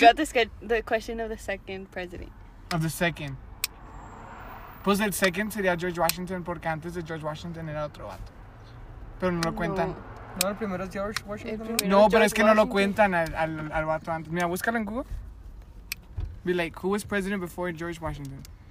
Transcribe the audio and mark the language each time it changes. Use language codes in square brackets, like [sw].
[en] She got the question of the second president. Of the second. [es] Pues el second sería George Washington, porque antes de George Washington era otro vato. Pero no lo cuentan. No. No, el primero es George Washington. No, pero es que no lo cuentan al vato antes. Mira, búscalo en Google. [en] Be like, who was president before George Washington?